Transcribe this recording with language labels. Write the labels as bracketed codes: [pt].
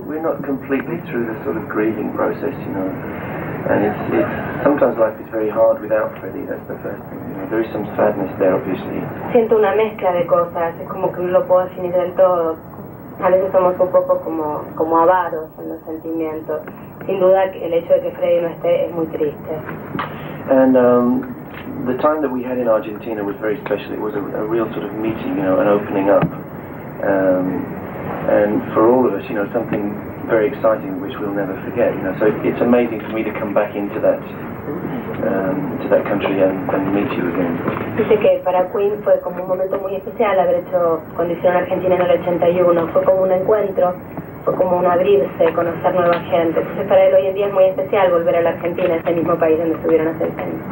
[en] We're not completely through the sort of grieving process, you know. And it's sometimes life is very hard without Freddie. That's the first thing. You know, there is some sadness there, obviously. [es] Siento una mezcla de cosas. Es como que no lo puedo definir del todo. A veces somos un poco como avaros en los sentimientos. Sin duda, el hecho de que Freddie no esté es muy triste. [en] And the time that we had in Argentina was very special. It was a real sort of meeting, you know, an opening up. And for all of us, you know, something very exciting which we'll never forget. You know, so it's amazing for me to come back into that to that country and meet you again. [es] Dice que para Queen fue como un momento muy especial haber hecho condición Argentina en el 81. Fue como un encuentro, fue como un abrirse, conocer nueva gente. Entonces para él hoy en día es muy especial volver a la Argentina, ese mismo país donde estuvieron hace 10 años.